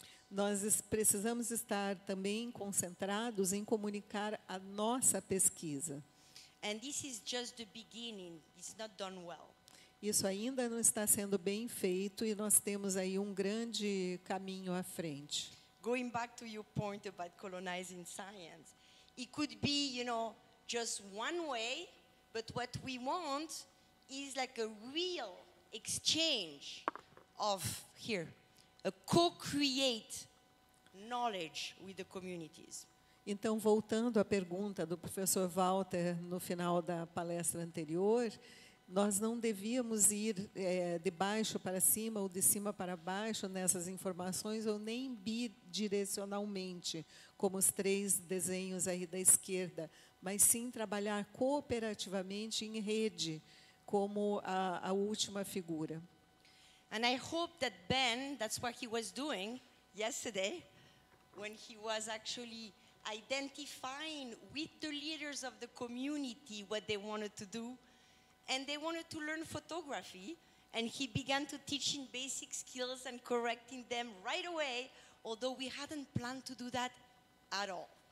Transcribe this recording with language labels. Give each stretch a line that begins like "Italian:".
Portuguese: Nós precisamos estar também concentrados em comunicar a nossa pesquisa.
English: And this is just the beginning. It's not done well.
Portuguese: Isso ainda não está sendo bem feito e nós temos aí um grande caminho à frente.
English: Going back to your point about colonizing science, it could be, you know, just one way, but what we want is like a real exchange of here, a co-create knowledge with the communities.
Portuguese: Então, voltando à pergunta do professor Walter no final da palestra anterior, nós não devíamos ir de baixo para cima ou de cima para baixo nessas informações ou nem bidirecionalmente, como os três desenhos aí da esquerda, mas sim trabalhar cooperativamente em rede, como a última figura.
English: And I hope that Ben, that's what he was doing yesterday, when he was actually identifying with the leaders of the community what they wanted to do. And they wanted to learn photography, and he began to teach in basic skills and correcting them right away, although we hadn't planned to do that at all.